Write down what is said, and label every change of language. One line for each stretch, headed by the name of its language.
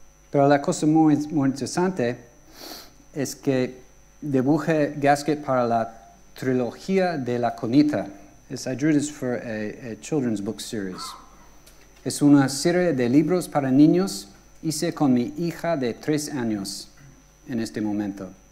Spanish: Pero la cosa muy, muy interesante es que dibujé Gasket para la trilogía de la Conita.
English: Es I drew this for a children's book series.
Spanish: Es una serie de libros para niños. Hice con mi hija de 3 años en este momento.